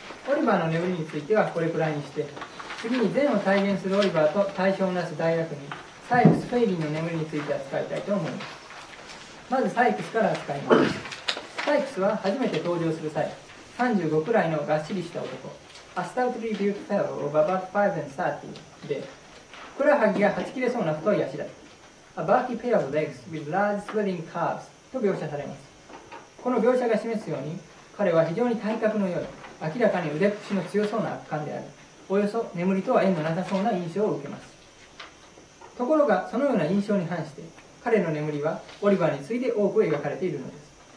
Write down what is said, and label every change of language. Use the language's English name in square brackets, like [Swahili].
[Japanese] オリバーの眠りについてはこれくらいにして、次に善を体現するオリバーと対象をなす大悪人サイクス・フェイギンの眠りについて扱いたいと思います。まずサイクスから扱います。サイクスは初めて登場する際、35くらいのがっしりした男、 [English] A stoutly built fellow of about 5'30 [Japanese] で、ふくらはぎがはち切れそうな太い足だ。 [English] A bulky pair of legs with large swelling calves [Japanese] と描写されます。この描写が示すように、彼は非常に体格の良い、明らかに腕っぷしの強そうな悪漢である。およそ眠りとは縁のなさそうな印象を受けます。ところがそのような印象に反して、彼の眠りはオリバーについて多く描かれているのです。